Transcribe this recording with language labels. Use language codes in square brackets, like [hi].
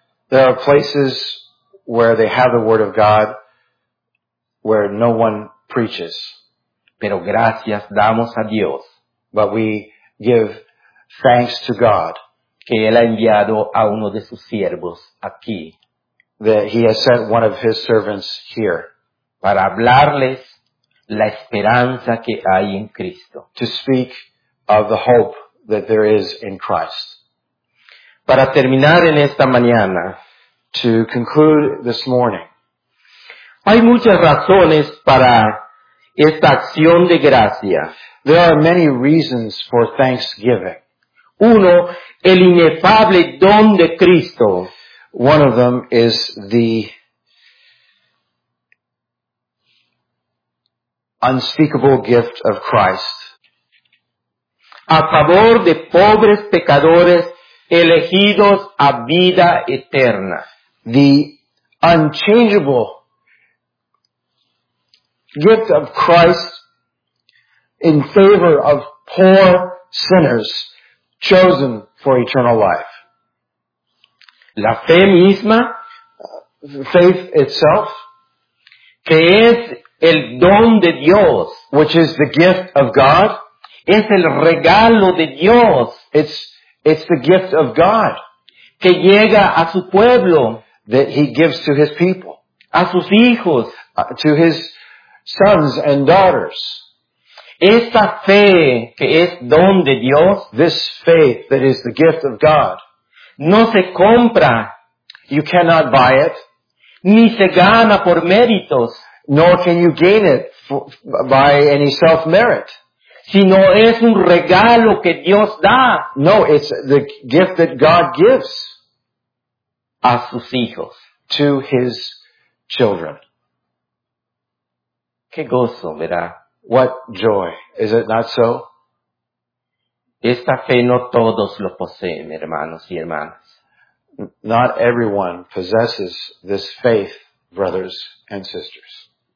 [en] There are places where they have the word of God, where no one preaches. [es] Pero gracias damos a Dios. [en] But we give thanks to God. [es] Que él ha enviado a uno de sus siervos aquí. [en] That he has sent one of his servants here. [es] Para hablarles la esperanza que hay en Cristo. [en] To speak of the hope that there is in Christ. [es] Para terminar en esta mañana. [en] To conclude this morning. [es] Hay muchas razones para esta acción de gracia. [en] There are many reasons for thanksgiving. [es] Uno, el inefable don de Cristo. [en] One of them is the unspeakable gift of Christ. [es] A favor de pobres pecadores elegidos a vida eterna. [en] The unchangeable gift of Christ in favor of poor sinners chosen for eternal life. [es] La fe misma, [en] faith itself, [es] que es el don de Dios, [en] which is the gift of God, [es] es el regalo de Dios. [en] It's the gift of God [es] que llega a su pueblo, [en] that he gives to his people, [es] a sus hijos, [en] to his sons and daughters. [es] Esta fe que es don de Dios, [en] this faith that is the gift of God, [es] no se compra. [en] You cannot buy it. [es] Ni se gana por méritos. [en] Nor can you gain it by any self-merit. [es] Sino es un regalo que Dios da. [en] No, it's the gift that God gives. [es] A sus hijos. [en] To his children. [es] Qué gozo, ¿verdad? [en] What joy. Is it not so? [es] Esta fe no todos lo poseen, hermanos y hermanas. [en] not everyone possesses this faith, brothers and sisters.